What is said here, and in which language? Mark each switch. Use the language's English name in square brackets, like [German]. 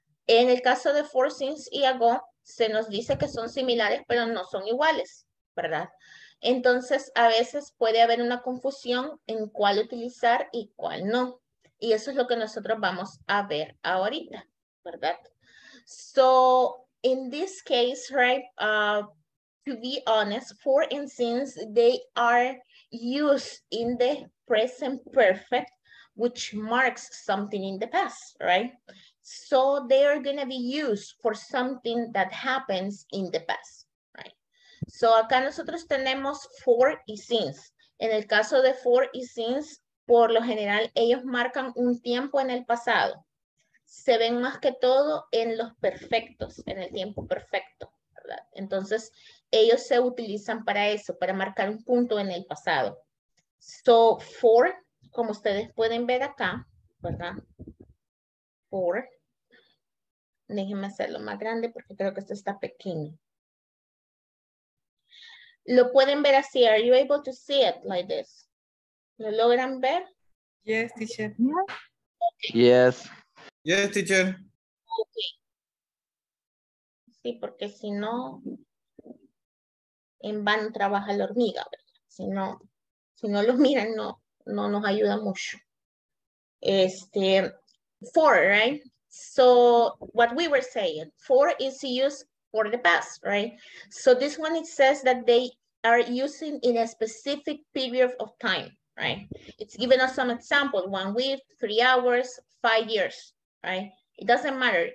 [Spanish] En el caso de for, since y ago, se nos dice que son similares, pero no son iguales, ¿verdad? Entonces, a veces puede haber una confusión en cuál utilizar y cuál no. Y eso es lo que nosotros vamos a ver ahorita, ¿verdad? [English] So, in this case, right, to be honest, for and since, they are used in the present perfect, which marks something in the past, right? So they are gonna be used for something that happens in the past, right? [Spanish] So acá nosotros tenemos for y since. En el caso de for y since, por lo general, ellos marcan un tiempo en el pasado. Se ven más que todo en los perfectos, en el tiempo perfecto, ¿verdad? Entonces, ellos se utilizan para eso, para marcar un punto en el pasado. So, for, como ustedes pueden ver acá, ¿verdad? For. Déjenme hacerlo más grande porque creo que esto está pequeño. Lo pueden ver así. [English] Are you able to see it like this? [Spanish] ¿Lo logran ver? [English] Yes, teacher. Yes. Yes, teacher. Okay. [Spanish] Sí, porque si no... En vano trabaja la hormiga, ¿verdad? Si no, si no los miran, no, no nos ayuda mucho. [English] Este, for, right? So what we were saying, for is used for the past, right? So this one, it says that they are using in a specific period of time, right? It's given us some example, 1 week, 3 hours, 5 years, right? It doesn't matter.